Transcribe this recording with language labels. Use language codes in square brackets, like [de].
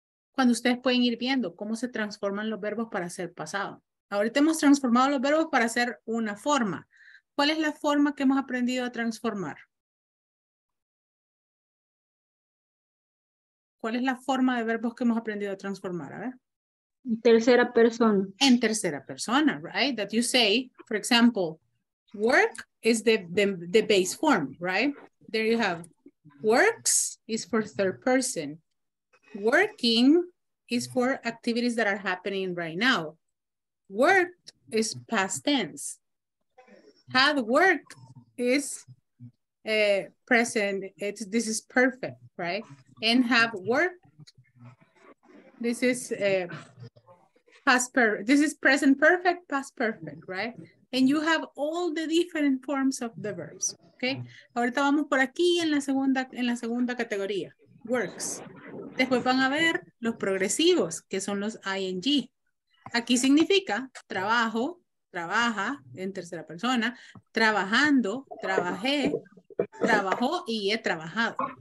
[es] Cuando ustedes pueden ir viendo cómo se transforman los verbos para hacer pasado. Ahorita hemos transformado los verbos para hacer una forma. ¿Cuál es la forma que hemos aprendido a transformar? ¿Cuál es la forma de verbos que hemos aprendido a transformar? A ver. En tercera persona. En tercera persona, right? [en] That you say, for example, work is the base form, right? There you have. Works is for third person. Working is for activities that are happening right now. Worked is past tense. Had worked is present. This is perfect, right? And have worked, this is this is present perfect, past perfect, right? And you have all the different forms of the verbs, okay? [es] Ahorita vamos por aquí en la segunda categoría, works. Después van a ver los progresivos, que son los ing. Aquí significa trabajo, trabaja, en tercera persona, trabajando, trabajé, trabajó y he trabajado.